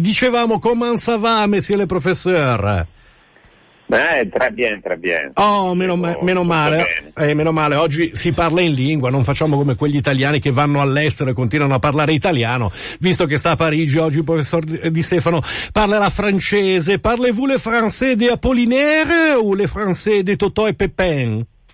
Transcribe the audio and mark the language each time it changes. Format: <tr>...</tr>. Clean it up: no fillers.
<it>Dicevamo, comment ça va, monsieur le professeur?</it> <fr>Très bien.</fr> <it>Oh, meno male, oggi si parla in lingua, non facciamo come quegli italiani che vanno all'estero e continuano a parlare italiano. Visto che sta a Parigi oggi, il professor Di Stefano parlerà francese.</it> <fr>Parlez-vous le français de Apollinaire ou le français de Totò e Pépin?</fr>